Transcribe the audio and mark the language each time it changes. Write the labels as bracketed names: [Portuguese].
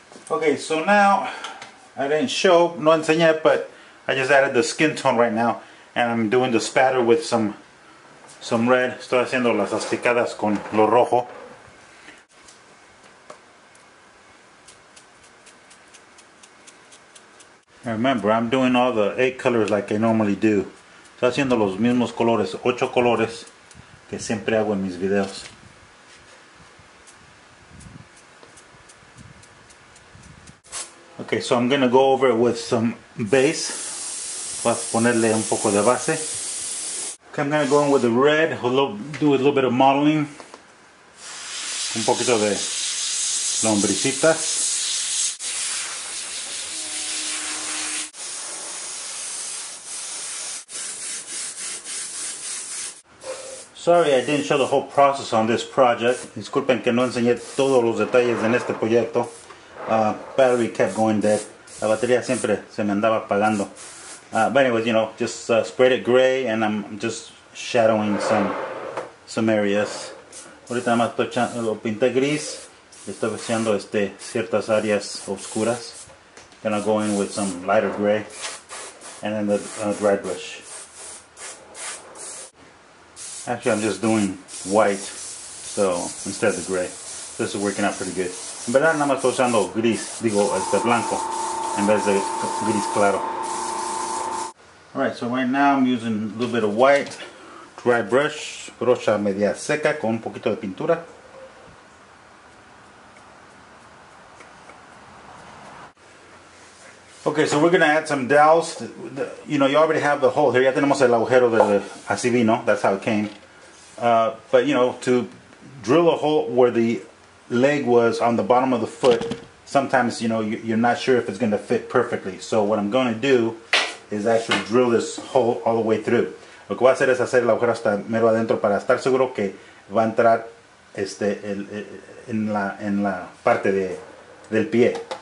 [English] Okay, so now I didn't show, [Spanish] no enseñé, [English] but I just added the skin tone right now, and I'm doing the spatter with some red. [Spanish] Estoy haciendo las asticadas con lo rojo. [English] Remember, I'm doing all the 8 colors like I normally do. [Spanish] Estoy haciendo los mismos colores, 8 colores, que siempre hago en mis videos. [English] Okay, so I'm gonna go over it with some base. [Spanish] Voy a ponerle un poco de base. [English] Okay, I'm gonna go in with the red, do a little bit of modeling. [Spanish] Un poquito de lombricitas. [English] Sorry, I didn't show the whole process on this project. [Spanish] Disculpen que no enseñé todos los detalles en este proyecto. [English] Battery kept going dead. [Spanish] La batería siempre se me andaba apagando. [English] But anyways, you know, just sprayed it gray and I'm just shadowing some areas. [Spanish] Ahorita nada más lo pinté gris. Estoy haciendo ciertas áreas oscuras. [English] Gonna go in with some lighter gray. And then the dry brush. Actually, I'm just doing white, so instead of the gray. This is working out pretty good. [Spanish] En verdad, nada más estoy usando gris, blanco, en vez de gris claro. [English] Alright, so right now I'm using a little bit of white, dry brush, [Spanish] brocha media seca con un poquito de pintura. [English] Okay, so we're going to add some dowels. You know, you already have the hole here. [Spanish] Ya tenemos el agujero del así vino. [English] That's how it came. But, you know, to drill a hole where the leg was on the bottom of the foot, sometimes, you know, you're not sure if it's going to fit perfectly. So what I'm going to do is actually drill this hole all the way through. [Spanish] Lo que voy a hacer es hacer el agujero hasta mero adentro para estar seguro que va a entrar en la parte del pie.